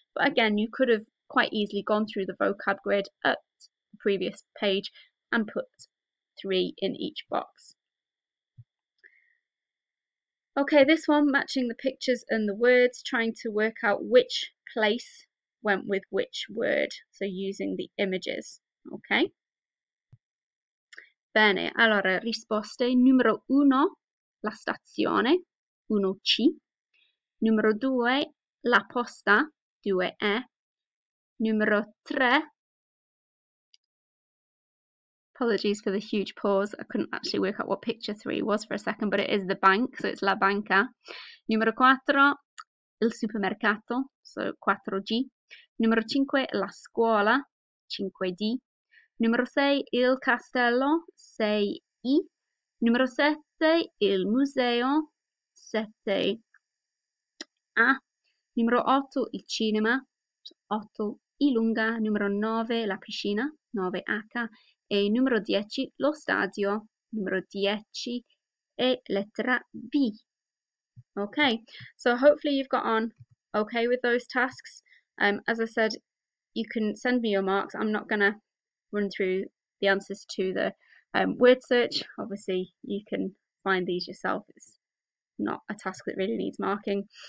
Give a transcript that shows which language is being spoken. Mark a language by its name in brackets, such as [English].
[English] But again, you could have quite easily gone through the vocab grid up previous page and put three in each box. Okay, this one, matching the pictures and the words, trying to work out which place went with which word, so using the images. [Italian] Okay, bene, allora risposte: numero uno, la stazione, 1C. Numero due, la posta, 2E. Numero tre, [English] apologies for the huge pause. I couldn't actually work out what picture three was for a second, but it is the bank, so it's la banca. [Italian] Numero quattro, il supermercato, so 4G. Numero cinque, la scuola, 5D. Numero sei, il castello, 6I. Numero sette, il museo, 7A. Numero otto, il cinema, 8I lunga. Numero nove, la piscina, 9H. E numero 10, lo stadio, numero 10, e lettera B. [English] Okay, so hopefully you've got on okay with those tasks. As I said, you can send me your marks. I'm not going to run through the answers to the word search. Obviously, you can find these yourself. It's not a task that really needs marking.